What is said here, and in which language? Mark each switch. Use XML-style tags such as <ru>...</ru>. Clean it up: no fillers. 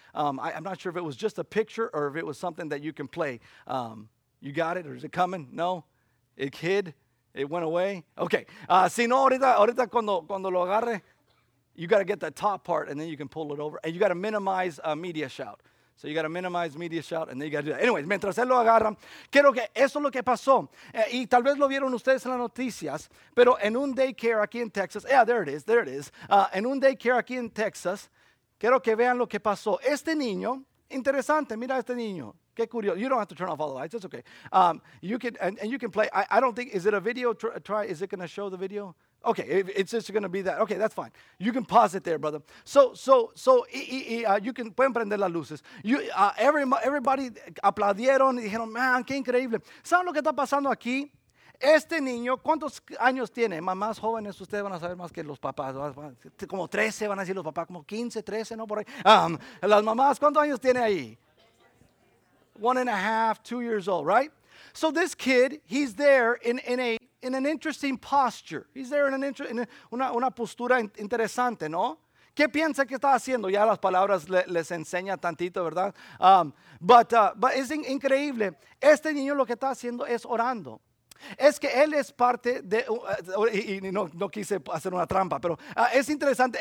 <en>I'm not sure if it was just a picture or if it was something that you can play. You got it or is it coming? No? It hid? It went away? Okay.</en> <es>Si no, ahorita cuando lo agarre.</es> <en>You got to get the top part and then you can pull it over. And you got to minimize media shout. So you got to minimize media shout and then you got to do that.</en> <es>Anyways, mientras él lo agarra, creo que eso es lo que pasó. Y tal vez lo vieron ustedes en las noticias, pero en un daycare aquí en Texas.</es> <en>Yeah, there it is.</en> <es>En un daycare aquí en Texas, quiero que vean lo que pasó. Este niño, interesante, mira a este niño. Qué curioso.</es> <en>You don't have to turn off all the lights. It's okay. You can play. I don't think, is it a video? Is it going to show the video? Okay, it's just going to be that. Okay, that's fine. You can pause it there, brother. So, you can.</en> <es>Pueden prender las luces. Everybody aplaudieron y dijeron, man, qué increíble. ¿Saben lo que está pasando aquí? Este niño, ¿cuántos años tiene? Mamás jóvenes, ustedes van a saber más que los papás. Como 13 van a decir los papás, como 15, 13, ¿no? Por ahí. Las mamás, ¿cuántos años tiene ahí?</es> <en>1.5, 2 years old, right? So this kid, he's there in an interesting posture. He's there in</en> <es>una postura interesante, ¿no? ¿Qué piensa que está haciendo? Ya las palabras les enseña tantito, ¿verdad? But es increíble. Este niño lo que está haciendo es orando. Es que él es parte de, y no quise hacer una trampa, pero es interesante.</es>